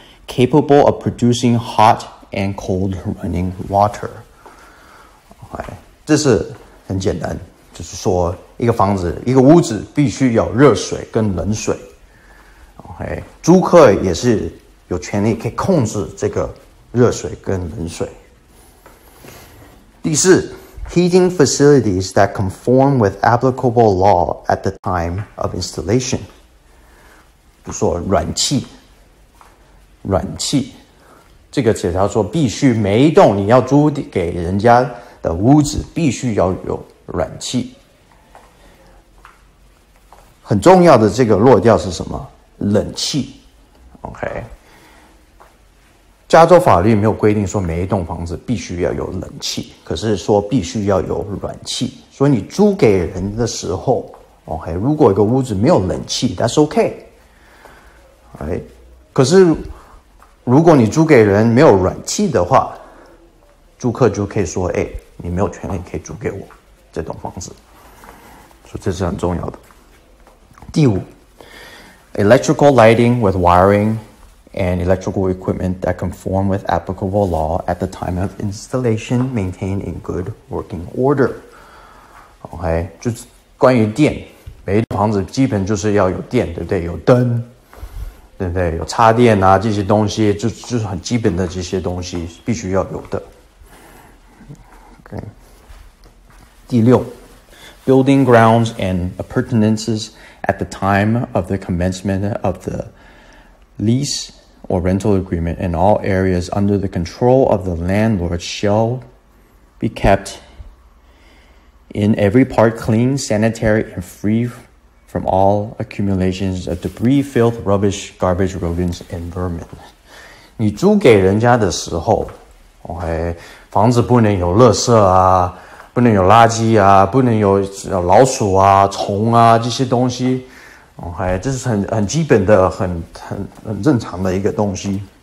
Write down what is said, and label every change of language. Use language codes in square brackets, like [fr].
[en] capable of producing hot and cold running water. [zh] Okay, 这是很简单，就是说一个房子、一个屋子必须有热水跟冷水。 Okay, 租客也是有权利可以控制这个热水跟冷水。 [en] 第四， heating facilities that conform with applicable law at the time of installation. [zh] 比如说暖气这个写上说必须每一栋你要租给人家的屋子必须要有暖气。很重要的这个落调是什么？冷气。OK。加州法律没有规定说每一栋房子必须要有冷气，可是说必须要有暖气。所以你租给人的时候 ，OK， 如果一个屋子没有冷气 ， [en] That's OK。 [zh] 哎，可是如果你租给人没有暖气的话，租客就可以说：“哎，你没有权利可以租给我这栋房子。” 所以这是很重要的。第五 ， [en] electrical lighting with wiring。 And electrical equipment that conform with applicable law at the time of installation maintained in good working order. [zh] Okay, 就是关于电，每一栋房子基本就是要有电，对不对？有灯，对不对？有插电啊，这些东西就是很基本的这些东西必须要有的。 [en] Okay. 第六 ，building grounds and appurtenances at the time of the commencement of the lease. Or rental agreement in all areas under the control of the landlord shall be kept in every part clean, sanitary, and free from all accumulations of debris, filth, rubbish, garbage, rodents, and vermin. [zh] 你租给人家的时候 ，OK， 房子不能有垃圾啊，不能有垃圾啊，不能有老鼠啊、虫啊这些东西。 OK， 这是 很基本的很正常的一个东西。